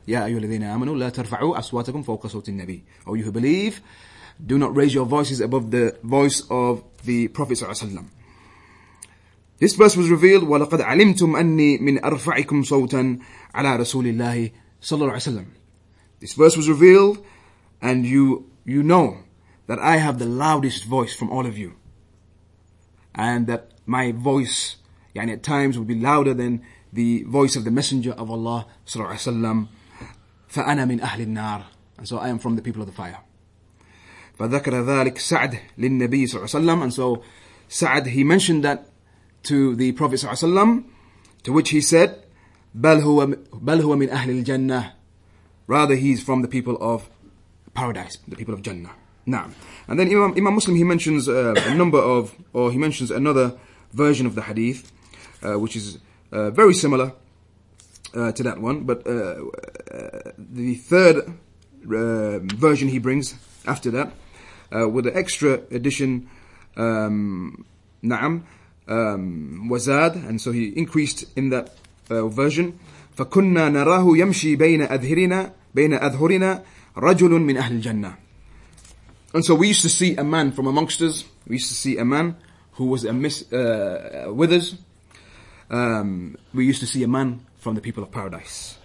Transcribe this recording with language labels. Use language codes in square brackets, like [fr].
[ar] يا أيها الذين آمنوا لا ترفعوا أصواتكم فوق صوت النبي. [en] Oh, you who believe, do not raise your voices above the voice of the Prophet [ar] صلى الله عليه وسلم. [en] This verse was revealed. [ar] ولقد علمتم أني من أرفعكم صوتا على رسول الله صلى الله عليه وسلم. [en] This verse was revealed, and you know that I have the loudest voice from all of you, and that my voice, يعني at times, will be louder than the voice of the Messenger of Allah [ar] صلى الله عليه وسلم. فأنا من أهل النار, [en] and so I am from the people of the fire. [ar] فذكر ذلك سعد للنبي صلى الله عليه وسلم, [en] and so سعد, he mentioned that to the Prophet [ar] صلى الله عليه وسلم, [en] to which he said, [ar] بل هو من أهل الجنة. [en] Rather, he's from the people of paradise, the people of Jannah. Now, and then Imam Muslim, he mentions he mentions another version of the hadith, which is very similar to that one. But the third version he brings after that, with an extra addition, wazad, and so he increased in that version. [ar] فَكُنَّا نَرَاهُ يَمْشِي بَيْنَ أَذْهِرِنَا بين أذهرنا رجل من أهل الجنة. [en] And so we used to see a man from amongst us. We used to see a man who was with us. We used to see a man from the people of paradise.